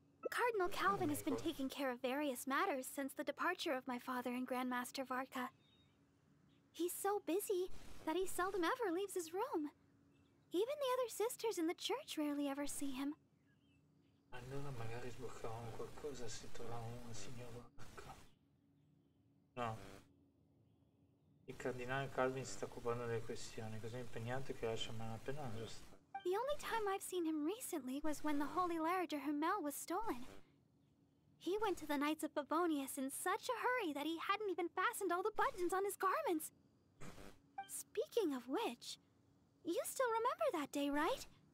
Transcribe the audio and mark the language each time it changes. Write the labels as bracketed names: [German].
[English] Cardinal Calvin has been taking care of various matters since the departure of my father and Grandmaster Varka. He's so busy that he seldom ever leaves his room. Even the other sisters in the church rarely ever see him. [Italian] Allora magari sbloccavamo qualcosa se trovavamo un signor Varka. No. Il cardinale Calvin si sta occupando delle questioni, così impegnato che lascia malapena la sua strada. [English] The only time I've seen him recently was when the Holy Larger Hamel was stolen. He went to the Knights of Favonius in such a hurry that he hadn't even fastened all the buttons on his garments. Speaking of which, you still remember that day, right?